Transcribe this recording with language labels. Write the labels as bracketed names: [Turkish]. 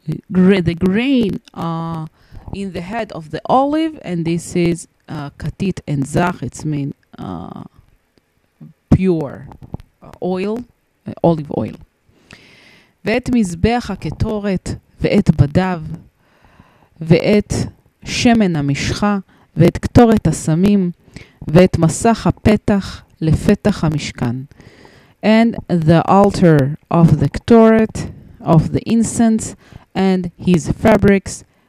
[English] The grain in the head of the olive, and this is katit and zach, it's mean pure oil, olive oil. [Hebrew] ואת מזבח הקטורת, ואת בדיו, ואת שמן המשחה, ואת קטורת הסמים, ואת מסך הפתח לפתח המשכן. [English] And the altar of the קטורת, of the incense, and his fabrics,